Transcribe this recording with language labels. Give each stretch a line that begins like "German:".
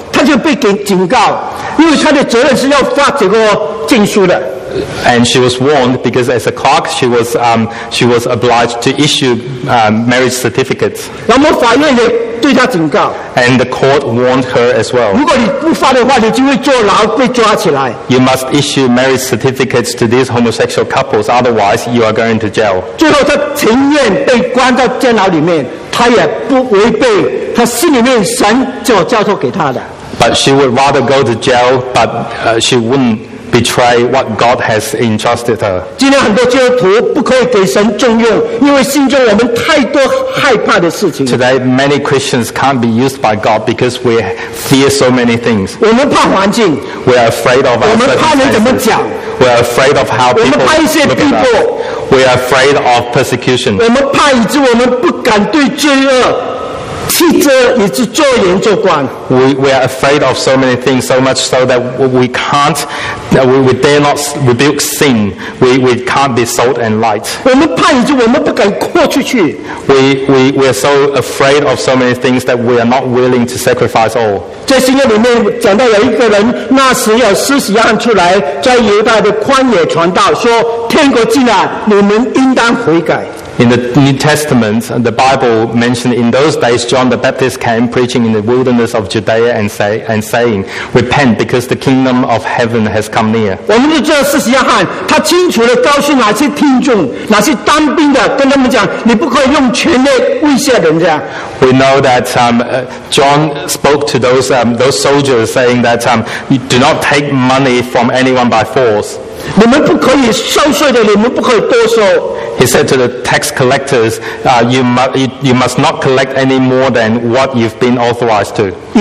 Chinese: 他就被警告，因为他的责任是要发这个证书的。
English: And she was warned because as a clerk, she was obliged to issue marriage certificates.
Chinese: 然后法院也对她警告。
English: And the court warned her as well.
Chinese: 如果你不发的话，你就会坐牢，被抓起来。
English: You must issue marriage certificates to these homosexual couples, otherwise you are going to jail.
Chinese: 最后，她情愿被关到监牢里面，她也不违背她心里面神所交托给她的。
English: But she would rather go to jail, but she wouldn't. Betray what God has entrusted her.
Chinese: 今天很多基督徒不可以给神重用，因为心中我们太多害怕的事情。
English: Today, many Christians can't be used by God because we fear so many things.
Chinese: 我们怕环境。
English: We are afraid of our circumstances.
Chinese: 我们怕人怎么讲。
English: We are afraid of how people look at us.
Chinese: 我们怕一些逼迫。
English: We are afraid of persecution.
Chinese: 我们怕以致我们不敢对罪恶。
English: We are afraid of so many things, so much so that we can't, that we dare not rebuke sin. We can't be salt and light. We are so afraid of so many things that we are not willing to sacrifice all.
Chinese: 在新约里面讲到有一个人，那时有施洗约翰出来，在犹大的旷野传道，说天国近了，你们应当悔改。
English: In the New Testament, the Bible mentioned in those days John the Baptist came preaching in the wilderness of Judea and saying, "Repent, because the kingdom of heaven has come near."
Chinese: 我们就知道四十一汉，他清楚地告诉哪些听众、哪些当兵的，跟他们讲，你不可以用权力威胁人家。
English: We know that John spoke to those soldiers, saying that you do not take money from anyone by force.
Chinese: 你们不可以收税的，你们不可以多收。
English: He said to the tax collectors, you must not collect any more than what you've been authorized to.